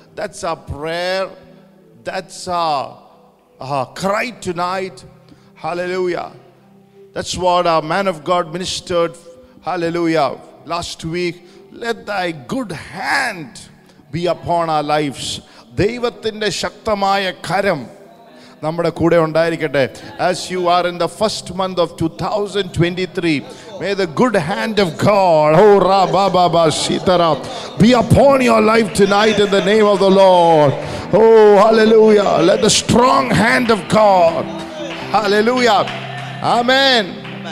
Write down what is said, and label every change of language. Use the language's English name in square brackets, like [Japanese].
[English] That's our prayer. That's our cry tonight. Hallelujah. That's what our man of God ministered. Hallelujah. Last week, let thy good hand be upon our lives. [Malayalam] ദൈവത്തിന്റെ ശക്തമായ കരം നമ്മുടെ കൂടെ ഉണ്ടായിരിക്കട്ടെ. [English] As you are in the first month of 2023, may the good hand of God, oh Rabba Baba Shitara, be upon your life tonight in the name of the Lord. Oh hallelujah. Let the strong hand of God. Hallelujah. Amen.